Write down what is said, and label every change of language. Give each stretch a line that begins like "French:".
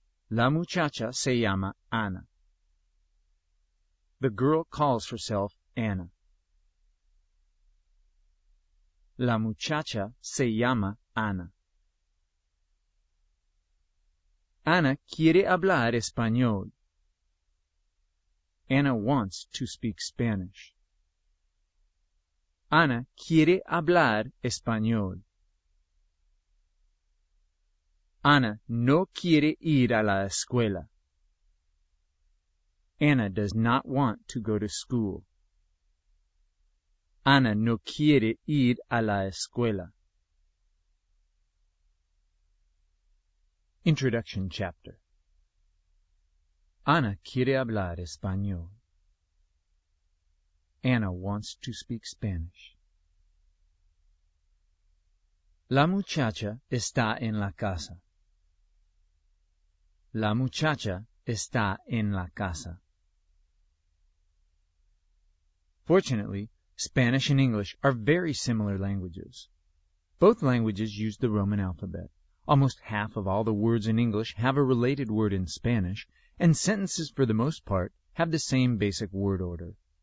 Spanish: La muchacha se llama Ana. The girl calls herself Anna. La muchacha se llama Ana. Ana quiere hablar español.
English: Anna wants to speak Spanish.
Spanish: Ana quiere hablar español. Ana no quiere ir a la escuela.
English: Anna does not want to go to school.
Spanish: Anna no quiere ir a la escuela. Introduction chapter. Anna quiere hablar español.
English: Anna wants to speak Spanish.
Spanish: La muchacha está en la casa. La muchacha está en la casa.
English: Fortunately, Spanish and English are very similar languages. Both languages use the Roman alphabet. Almost half of all the words in English have a related word in Spanish, and sentences, for the most part, have the same basic word order.